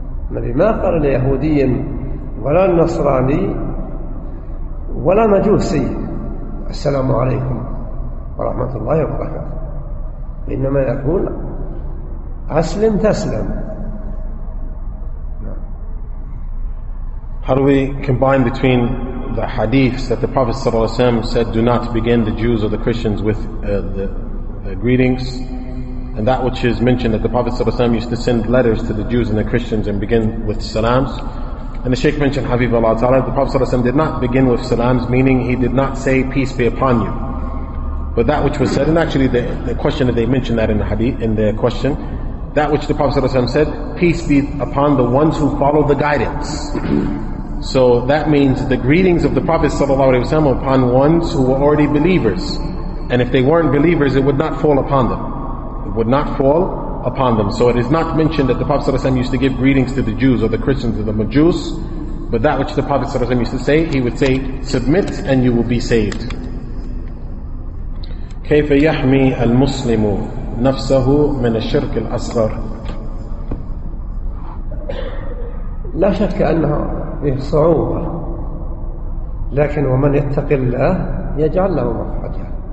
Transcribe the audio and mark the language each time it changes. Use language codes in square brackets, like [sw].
[ar] النبي ما قال ليهودي ولا نصراني ولا مجوسي السلام عليكم ورحمة الله وبركاته، إنما يقول أسلم تسلم. [en] How do we combine between the hadiths that the Prophet ﷺ said, do not begin the Jews or the Christians with the greetings, and that which is mentioned that the Prophet ﷺ used to send letters to the Jews and the Christians and begin with salams? And the Shaykh mentioned, Habibullah ta'ala, the Prophet ﷺ did not begin with salams, meaning he did not say, peace be upon you. But that which was said, and actually the question that they mentioned that in the hadith, in their question, that which the Prophet ﷺ said, peace be upon the ones who follow the guidance. So that means the greetings of the Prophet ﷺ upon ones who were already believers. And if they weren't believers, it would not fall upon them. It would not fall upon them. So it is not mentioned that the Prophet ﷺ used to give greetings to the Jews or the Christians or the Majus. But that which the Prophet ﷺ used to say, he would say, submit and you will be saved. [ar] كيف يحمي المسلم نفسه من الشرك الأصغر؟ لا شك أنها فيه صعوبة، لكن ومن يتق الله يجعل له مخرجا.